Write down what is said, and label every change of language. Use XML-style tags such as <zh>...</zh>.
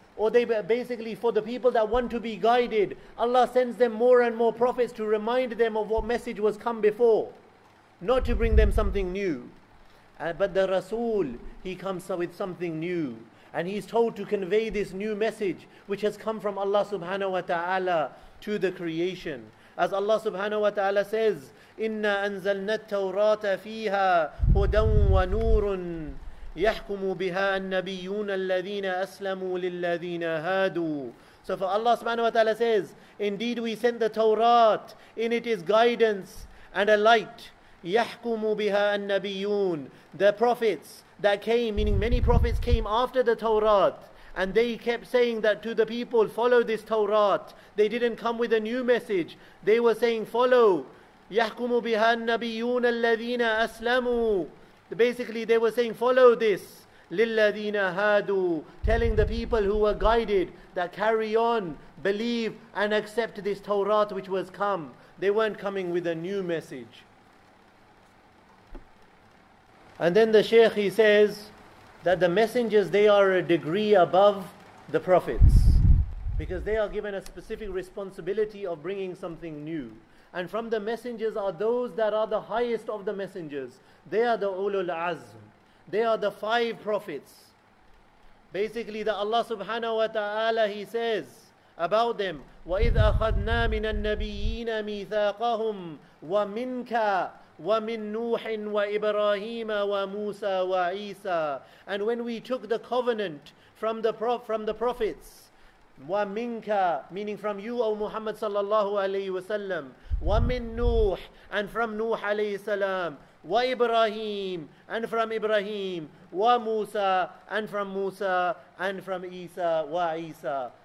<en>Or they basically, for the people that want to be guided, Allah sends them more and more prophets to remind them of what message was come before, not to bring them something new. But the Rasul, he comes with something new. And he's told to convey this new message, which has come from Allah subhanahu wa ta'ala to the creation. As Allah subhanahu wa ta'ala says,</en> <ar>إِنَّا أَنزَلْنَا التَّوْرَاةَ فِيهَا هُدًى وَنُورٌ يَحْكُمُ بِهَا النَّبِيُّونَ الَّذِينَ أَسْلَمُوا لِلَّذِينَ هَادُوا.</ar> <en>So for Allah subhanahu wa ta'ala says, indeed we sent the Torah, in it is guidance and a light.</en> <ar>يَحْكُمُ بِهَا النَّبِيُّونَ.</ar> <en>The prophets that came, meaning many prophets came after the Torah, and they kept saying that to the people, follow this Torah. They didn't come with a new message. They were saying, follow.</en> <ar>يَحْكُمُ بِهَا النَّبِيُّونَ الَّذِينَ أَسْلَمُوا.</ar> <en>Basically, they were saying, follow this.</en> <ar>لِلَّذِينَ هَادُوا.</ar> <en>Telling the people who were guided that carry on, believe and accept this Torah which was come. They weren't coming with a new message. And then the Shaykh, he says that the messengers, they are a degree above the prophets, because they are given a specific responsibility of bringing something new. And from the messengers are those that are the highest of the messengers. They are the Ulul Azm. They are the five prophets. Basically, the Allah subhanahu wa ta'ala, he says about them,</en> <ar>وَإِذْ أَخَذْنَا مِنَ النَّبِيِّينَ مِيثَاقَهُمْ وَمِنْكَ وَمِنْ نُوحٍ وَإِبْرَاهِيمَ وَمُوسَى وَعِيسَى.</ar> <en>And when we took the covenant from the prophets,</en> <ar>وَمِنْكَ,</ar> <en>meaning from you, O Muhammad sallallahu alayhi wa sallam,</en> <ar>وَمِنْ نُوحٍ,</ar> <en>and from Nuh alayhi salam,</en> <ar>وَإِبْرَاهِيمَ,</ar> <en>and from Ibrahim,</en> <ar>وَمُوسَى,</ar> <en>and from Musa, and from Isa,</en> <ar>وَعِيسَى.</ar>